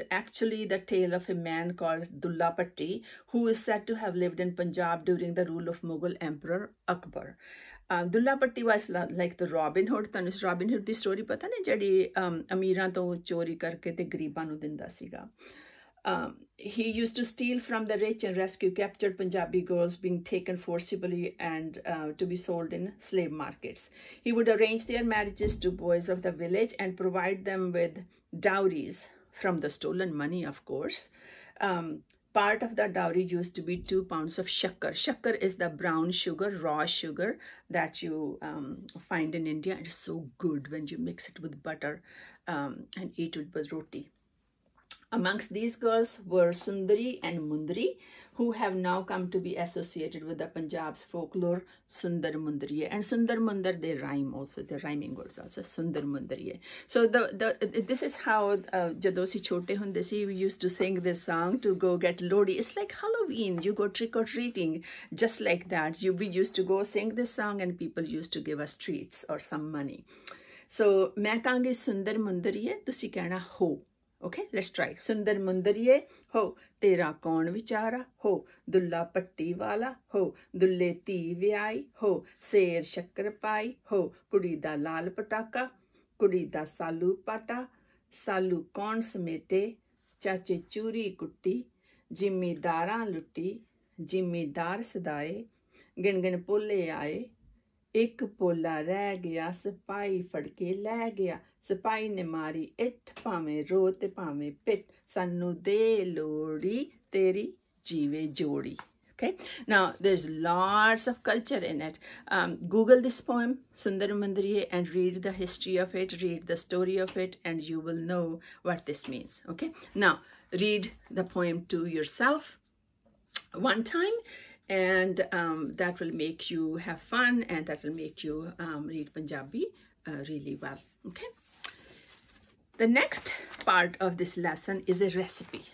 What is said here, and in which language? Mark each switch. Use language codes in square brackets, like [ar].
[en] Is actually the tale of a man called Dulla Bhatti, who is said to have lived in Punjab during the rule of Mughal emperor Akbar. Dulla Bhatti was like the Robin Hood. [pa] ਤੁਹਾਨੂੰ ਇਸ Robinhood ਦੀ story ਪਤਾ ਨਾ, ਜਿਹੜੀ ਅਮੀਰਾਂ ਤੋਂ ਚੋਰੀ ਕਰਕੇ ਅਤੇ ਗਰੀਬਾਂ ਨੂੰ ਦਿੰਦਾ ਸੀਗਾ। [en] He used to steal from the rich and rescue captured Punjabi girls being taken forcibly and to be sold in slave markets. He would arrange their marriages to boys of the village and provide them with dowries from the stolen money, of course. Part of the dowry used to be 2 pounds of shakkar. Shakkar is the brown sugar, raw sugar that you find in India. It is so good when you mix it with butter and eat it with roti. Amongst these girls were Sundari and Mundari, who have now come to be associated with the Punjab's folklore, Sundar Mundari. And Sundar Mundar, they rhyme also, they're rhyming words also, Sundar Mundari. So this is how Jadosi Chote Hundesi, we used to sing this song to go get Lodi. It's like Halloween, you go trick-or-treating, just like that. We used to go sing this song and people used to give us treats or some money. [pa] So main kahangi Sundar Mundari, tusi kehna ho. [en] Okay, let's try. [pa] ਸੁੰਦਰ ਮੁੰਦਰੀਏ ਹੋ, ਤੇਰਾ ਕੌਣ ਵਿਚਾਰਾ ਹੋ, ਦੁੱਲਾ ਪੱਟੀ ਵਾਲਾ ਹੋ, ਦੁੱਲੇ ਧੀ ਵਿਆਈ ਹੋ, ਸੇਰ ਸ਼ੱਕਰ ਪਾਈ ਹੋ, ਕੁੜੀ ਦਾ ਲਾਲ ਪਟਾਕਾ, ਕੁੜੀ ਦਾ ਸਾਲੂ ਪਾਟਾ, ਸਾਲੂ ਕੌਣ ਸਮੇਟੇ, ਚਾਚੇ ਚੂਰੀ ਕੁੱਟੀ, ਜਿਮੀਦਾਰਾਂ ਲੁੱਟੀ, ਜਿਮੀਦਾਰ ਸਦਾਏ, ਗਿਣ ਗਿਣ ਪੋਲੇ ਆਏ, ਇੱਕ ਪੋਲਾ ਰਹਿ ਗਿਆ, ਸਿਪਾਹੀ ਫੜਕੇ ਲੈ ਗਿਆ, ਸਿਪਾਹੀ ਨੇ ਮਾਰੀ ਇੱਟ, ਭਾਵੇਂ ਰੋ ਤੇ ਭਾਵੇਂ ਪਿੱਟ, ਸਾਨੂੰ ਦੇ ਲੋੜੀ ਤੇਰੀ ਜੀਵੇ ਜੋੜੀ। [en] Okay, ਨਾ there is lots of culture in it. Google this poem Sundar Mundriye and read the history of it, read the story of it, and you will know what this means. Okay, ਨਾ read the poem to yourself one time, and that will make you have fun and that will make you read Punjabi really well. Okay, the next part of this lesson is a recipe.